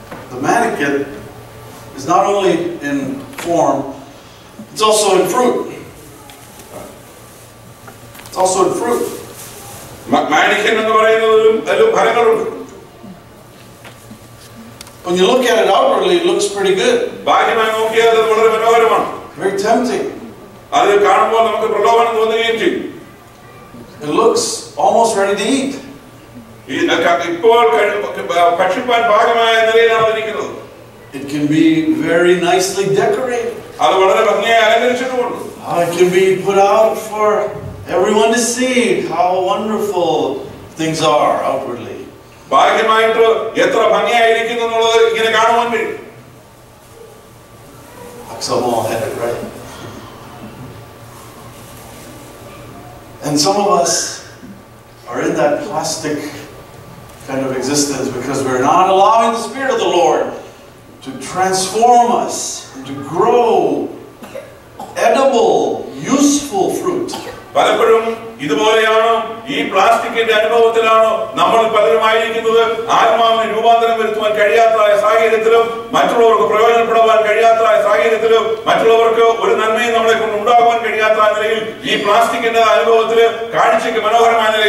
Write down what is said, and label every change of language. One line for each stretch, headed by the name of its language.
English: The mannequin is not only in form, it's also in fruit. When you look at it outwardly, it looks pretty good.
Malayalam: ബാഹ്യമായി നോക്കിയാൽ അത് വളരെ മനോഹരമാണ്.
English: Very tempting.
Malayalam: അത് കാണുമ്പോൾ നമുക്ക് പ്രലോഭനം തോന്നുകയും ചെയ്യും.
English: It looks almost ready to eat.
Malayalam: ഇപ്പോൾ ഭക്ഷിക്കാൻ പാകമായ നിലയിലാണ് ഇരിക്കുന്നത്.
English: It can be very nicely decorated.
Malayalam: അത് വളരെ ഭംഗിയായി അലങ്കരിച്ചിട്ടുണ്ട്.
English: It can be put out for everyone to see how wonderful things are outwardly.
Malayalam: ബാഹ്യമായിട്ട് എത്ര ഭംഗിയായിരിക്കുന്നു എന്നുള്ളത് ഇങ്ങനെ കാണുവാൻ കഴിയും.
English: And some of us are in that plastic kind of existence because we're not allowing the Spirit of the Lord to transform us and to grow edible, useful fruit.
Malayalam: പലപ്പോഴും ഇതുപോലെയാണ് ഈ പ്ലാസ്റ്റിക്കിന്റെ അനുഭവത്തിലാണ് നമ്മൾ പലരുമായിരിക്കുന്നത്. ആത്മാവിനെ രൂപാന്തരം വരുത്തുവാൻ കഴിയാത്തതായ സാഹചര്യത്തിലും മറ്റുള്ളവർക്ക് പ്രയോജനപ്പെടുവാൻ കഴിയാത്തതായ സാഹചര്യത്തിലും മറ്റുള്ളവർക്ക് ഒരു നന്മയും നമ്മളെ കൊണ്ട് ഉണ്ടാകുവാൻ കഴിയാത്ത നിലയിൽ ഈ പ്ലാസ്റ്റിക്കിന്റെ അനുഭവത്തിൽ കാഴ്ചയ്ക്ക് മനോഹരമായ